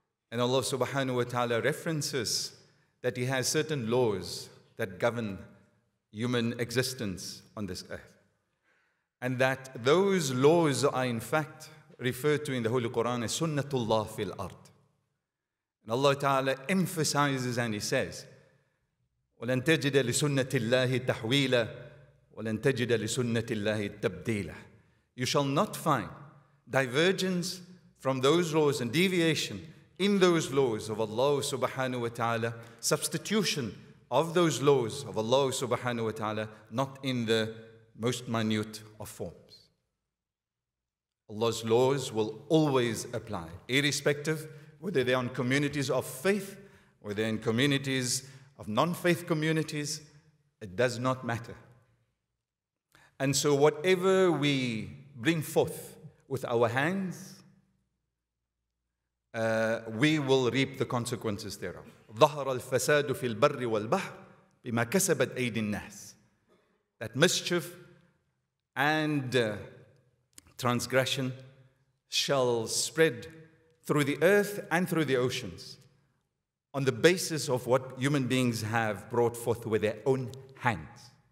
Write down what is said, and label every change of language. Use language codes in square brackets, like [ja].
[en] And Allah subhanahu wa ta'ala references that He has certain laws that govern human existence on this earth. And that those laws are in fact referred to in the Holy Quran as sunnatullah fil ard. And Allah ta'ala emphasizes and He says, [ar] وَلَنْ تَجِدَ لِسُنَّةِ اللَّهِ تَحْوِيلًا وَلَنْ تَجِدَ لِسُنَّةِ اللَّهِ تَبْدِيلًا. [en] You shall not find divergence from those laws and deviation in those laws of Allah subhanahu wa ta'ala, substitution of those laws of Allah subhanahu wa ta'ala, not in the most minute of forms. Allah's laws will always apply, irrespective whether they're on communities of faith, whether they're in communities of non-faith communities, it does not matter. And so whatever we bring forth with our hands, we will reap the consequences thereof. [ar] ظهر الفساد في البر والبحر بما كسبت أيدي الناس. [en] That mischief and transgression shall spread through the earth and through the oceans on the basis of what human beings have brought forth with their own hands.